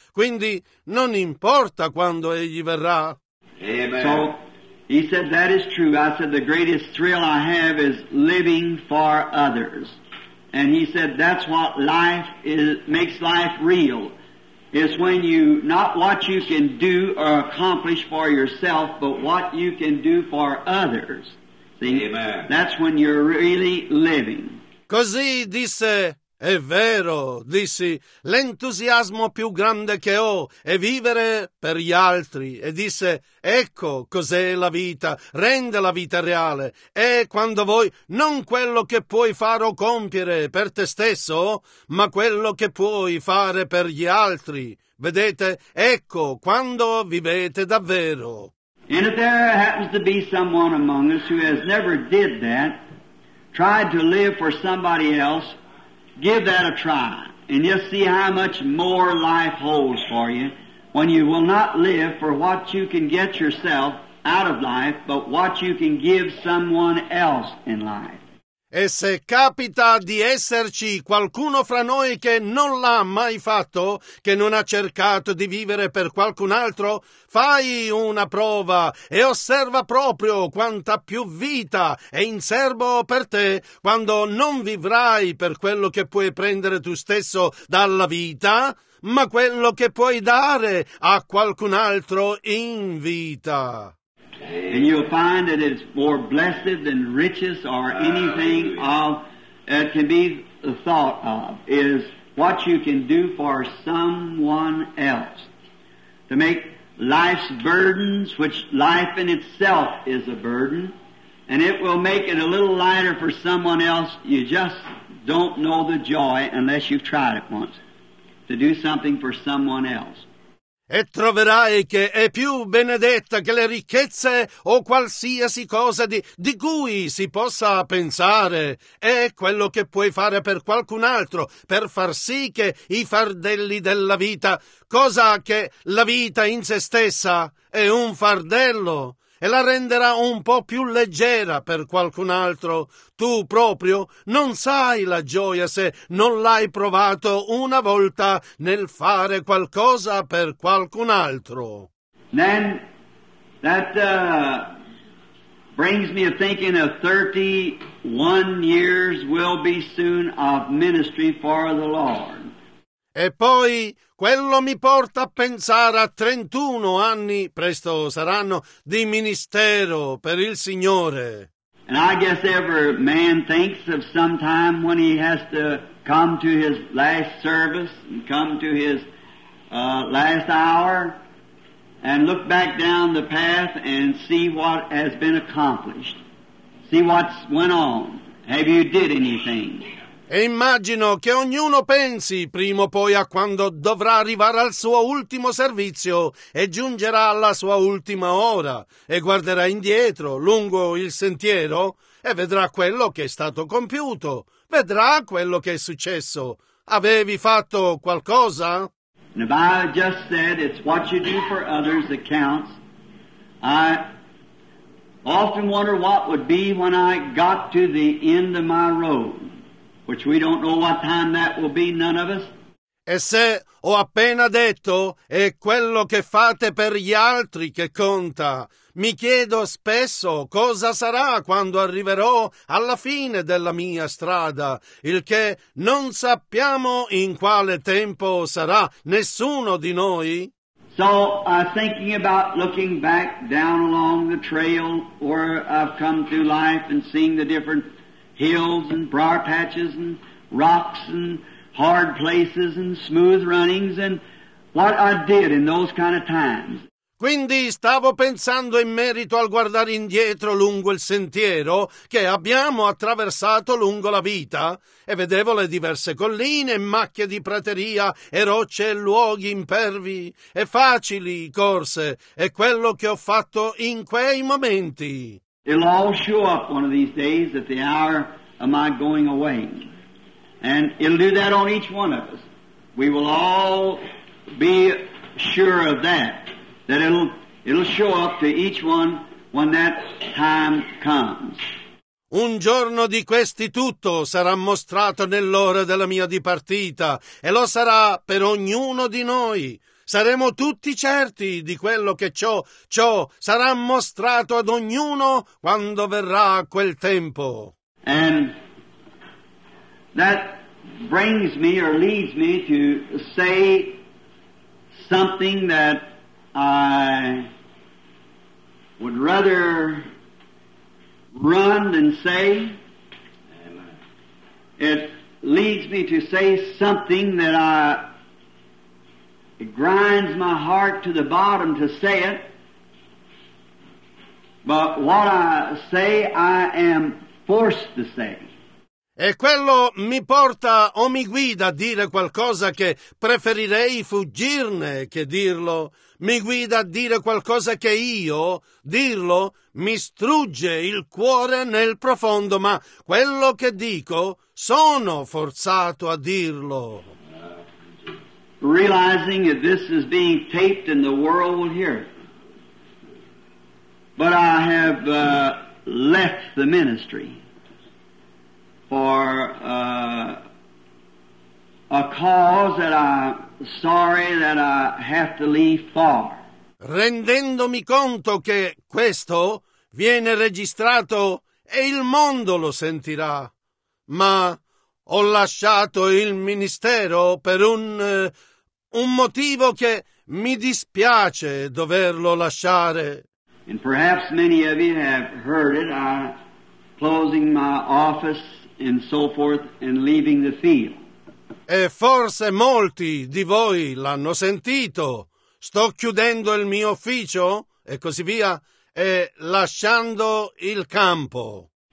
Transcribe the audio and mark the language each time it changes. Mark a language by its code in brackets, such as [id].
[it] Quindi non importa quando egli verrà. [en] Amen. So, he said, that is true. I said, the greatest thrill I have is living for others. And he said, that's what life is, makes life real. It's when you, not what you can do or accomplish for yourself, but what you can do for others. See, amen. That's when you're really living. [it] Così disse, è vero, dissi, l'entusiasmo più grande che ho è vivere per gli altri. E disse, ecco cos'è la vita, rende la vita reale. È quando vuoi non quello che puoi fare o compiere per te stesso, ma quello che puoi fare per gli altri. Vedete, ecco quando vivete davvero. [en] And if there happens to be someone among us who has never did that, tried to live for somebody else, give that a try, and you'll see how much more life holds for you when you will not live for what you can get yourself out of life, but what you can give someone else in life. [it] E se capita di esserci qualcuno fra noi che non l'ha mai fatto, che non ha cercato di vivere per qualcun altro, fai una prova e osserva proprio quanta più vita è in serbo per te quando non vivrai per quello che puoi prendere tu stesso dalla vita, ma quello che puoi dare a qualcun altro in vita. [en] And you'll find that it's more blessed than riches or anything of that can be thought of is what you can do for someone else to make life's burdens, which life in itself is a burden, and it will make it a little lighter for someone else. You just don't know the joy unless you've tried it once to do something for someone else. [it] E troverai che è più benedetta che le ricchezze o qualsiasi cosa di cui si possa pensare. È quello che puoi fare per qualcun altro, per far sì che i fardelli della vita, cosa che la vita in se stessa è un fardello, e la renderà un po' più leggera per qualcun altro. Tu proprio non sai la gioia se non l'hai provato una volta nel fare qualcosa per qualcun altro. [en] Then that brings me a thinking of 31 years will be soon of ministry for the Lord. [it] E poi quello mi porta a pensare a 31 anni, presto saranno, di ministero per il Signore. [en] And I guess every man thinks of some time when he has to come to his last service and come to his last hour and look back down the path and see what has been accomplished. See what's went on. Have you did anything? [it] E immagino che ognuno pensi prima o poi a quando dovrà arrivare al suo ultimo servizio e giungerà alla sua ultima ora e guarderà indietro lungo il sentiero e vedrà quello che è stato compiuto, vedrà quello che è successo. Avevi fatto qualcosa? [en] And if I just said it's what you do for others that counts, I often wonder what would be when I got to the end of my road. Which we don't know what time that will be, none of us. [it] E se ho appena detto è quello che fate per gli altri che conta, mi chiedo spesso cosa sarà quando arriverò alla fine della mia strada, il che non sappiamo in quale tempo sarà nessuno di noi. [en] So I'm thinking about looking back down along the trail where I've come through life and seeing the different hills and briar patches and rocks and hard places and smooth runnings and what I did in those kind of times. [it] Quindi stavo pensando in merito al guardare indietro lungo il sentiero che abbiamo attraversato lungo la vita e vedevo le diverse colline, macchie di prateria e rocce e luoghi impervi e facili corse e quello che ho fatto in quei momenti. [en] It'll all show up one of these days at the hour of my going away. And it'll do that on each one of us. We will all be sure of that, that it'll show up to each one when that time comes. [it] Un giorno di questi tutto sarà mostrato nell'ora della mia dipartita, e lo sarà per ognuno di noi. Saremo tutti certi di quello che ciò sarà mostrato ad ognuno quando verrà quel tempo. [en] And that brings me or leads me to say something that I would rather run than say. It leads me to say something that I... It grinds my heart to the bottom to say it, but what I say, I am forced to say. [it] E quello mi porta o mi guida a dire qualcosa che preferirei fuggirne che dirlo. Mi guida a dire qualcosa che io, dirlo, mi strugge il cuore nel profondo, ma quello che dico, sono forzato a dirlo. [en] Realizing that this is being taped and the world will hear it. But I have left the ministry. for a cause that I'm sorry that I have to leave for. [it] Rendendomi conto che questo viene registrato e il mondo lo sentirà, ma ho lasciato il ministero per un motivo che mi dispiace doverlo lasciare. [en] And perhaps many of you have heard it, I'm closing my office and so forth and leaving the field. [it] E forse molti di voi l'hanno sentito. Sto chiudendo il mio ufficio e così via e lasciando il campo.